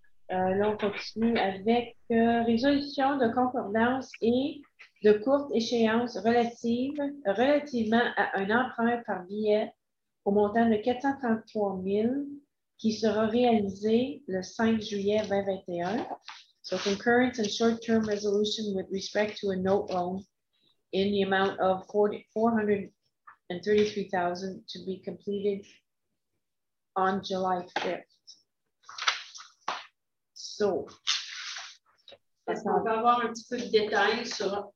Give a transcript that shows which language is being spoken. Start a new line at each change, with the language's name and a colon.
French: Là, on continue avec résolution de concordance et de courte échéance relativement à un emprunt par billet au montant de 433 000 qui sera réalisé le 5 juillet 2021.
English: So, concurrence and short-term resolution with respect to a note loan in the amount of $433,000 to be completed on July 5th. So,
French: est-ce qu'on peut avoir un petit peu de détails sur...